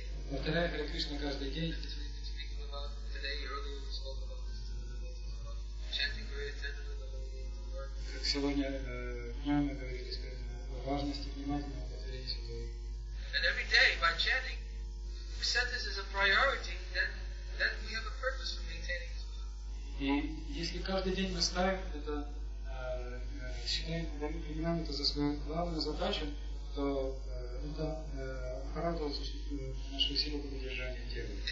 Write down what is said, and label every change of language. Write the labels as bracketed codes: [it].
[ru] Повторяя Харе Кришна каждый день. Как сегодня днем мы говорили о важности внимательного повторения всего. [en] And every day by chanting, we set this as a priority, then we have a purpose for maintaining this. [ru] И если каждый день мы ставим это, считаем, принимаем это за свою главную задачу, то это порадовало нашу силу поддержания тела.